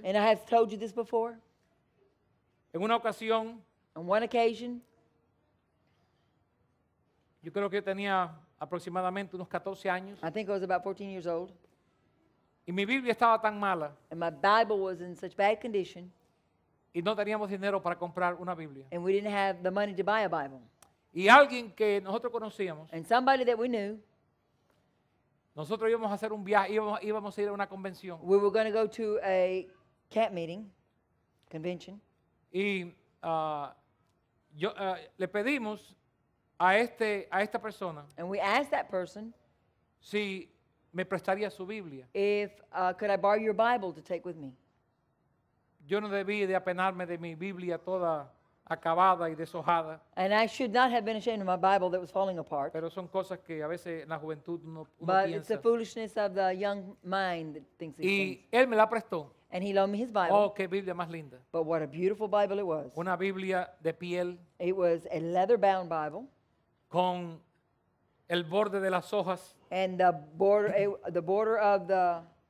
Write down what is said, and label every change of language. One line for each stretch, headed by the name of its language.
English: And I have told you this before.
Spanish: En una ocasión.
English: On one occasion.
Spanish: Yo creo que tenía aproximadamente unos 14 años.
English: I think I was about 14 years old.
Spanish: Y mi Biblia estaba tan mala.
English: And my Bible was in such bad condition.
Spanish: Y no teníamos dinero para comprar una Biblia.
English: And we didn't have the money to buy a Bible.
Spanish: Y alguien que nosotros conocíamos.
English: And somebody that we knew.
Spanish: Nosotros íbamos a hacer un viaje, íbamos a ir a una convención.
English: We were going to go to a camp meeting, convention.
Spanish: Y le pedimos a esta persona.
English: And we asked that person.
Spanish: Si me prestaría su Biblia.
English: If could I borrow your Bible to take with me.
Spanish: Yo no debí de apenarme de mi Biblia toda acabada y deshojada.
English: And I should not have been ashamed of my Bible that was falling apart.
Spanish: Pero son cosas que a veces en la juventud uno piensa.
English: But it's the foolishness of the young mind that thinks these things.
Spanish: Y él me la prestó.
English: And he loaned me his Bible.
Spanish: Oh, qué Biblia más linda.
English: But what a beautiful Bible it was.
Spanish: Una Biblia de piel.
English: It was a leather-bound Bible.
Spanish: Con el borde de las hojas.
English: And the border of the